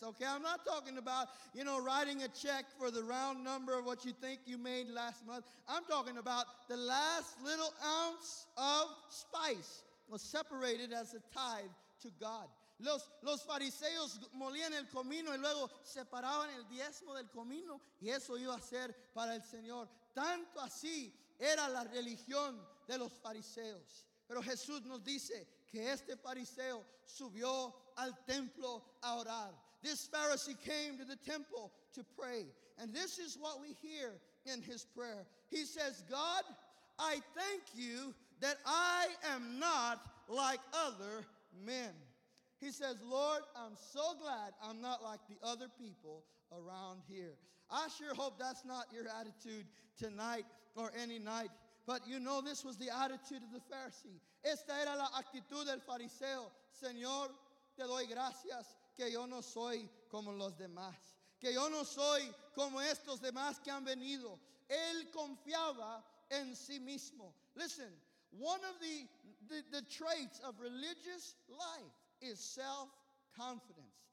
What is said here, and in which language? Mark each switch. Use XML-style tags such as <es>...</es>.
<en>Okay, I'm not talking about, you know, writing a check for the round number of what you think you made last month. I'm talking about the last little ounce of spice was separated as a tithe to God.</en> <es>Los fariseos molían el comino y luego separaban el diezmo del comino y eso iba a ser para el Señor. Tanto así era la religión de los fariseos. Pero Jesús nos dice que este fariseo subió al templo a orar.</es> <en>This Pharisee came to the temple to pray. And this is what we hear in his prayer. He says, God, I thank you that I am not like other men. He says, Lord, I'm so glad I'm not like the other people around here. I sure hope that's not your attitude tonight or any night. But you know, this was the attitude of the Pharisee.</en> <es>Esta era la actitud del fariseo. Señor, te doy gracias que yo no soy como los demás. Que yo no soy como estos demás que han venido. Él confiaba en sí mismo.</es> <en>Listen, one of the traits of religious life is self-confidence.</en>